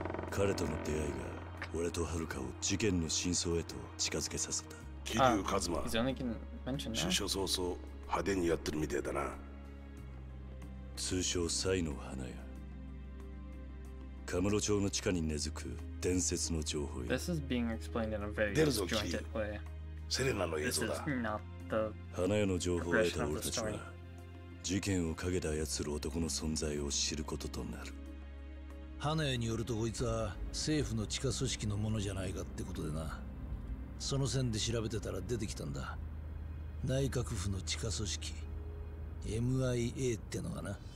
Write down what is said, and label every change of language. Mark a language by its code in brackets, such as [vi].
[ja] 彼との出会いが俺とハルカを事件の真相へと近づけさせた。キリュウカズマ、出所早々派手にやってるみてえだな。通称サイの花屋。カムロ町の地下に根付く伝説の情報や。 [en] This is being explained in a very disjointed way. [ja] セレナの映像だ。 [en] This is not the [ja] 花屋の情報を得た俺たちは、事件を陰で操る男の存在を知ることとなる。花屋によるとこいつは政府の地下組織のものじゃないかってことでな。その線で調べてたら出てきたんだ。内閣府の地下組織 MIA ってのがな。